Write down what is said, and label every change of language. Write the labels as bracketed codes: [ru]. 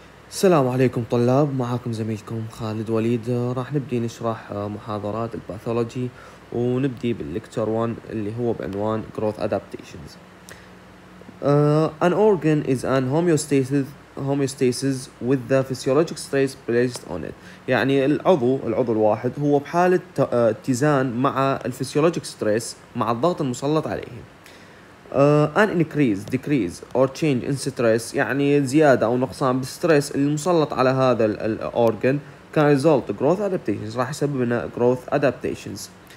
[ar] السلام عليكم طلاب، معكم زميلكم خالد وليد. راح نبدي نشرح محاضرات الباثولوجي، ونبدي باللكتر 1 اللي هو بعنوان Growth Adaptations. [en] An organ is an homeostasis with the physiologic stress placed on it. [ar] يعني العضو الواحد هو بحالة اتزان مع الفيسيولوجيك ستريس، مع الضغط المسلط عليه. [en] An increase, decrease or change in stress، [ar] يعني زيادة أو نقصان بالستريس المسلط على هذا الأورجن، [en] can result growth adaptations، [ar] راح يسبب لنا growth adaptations.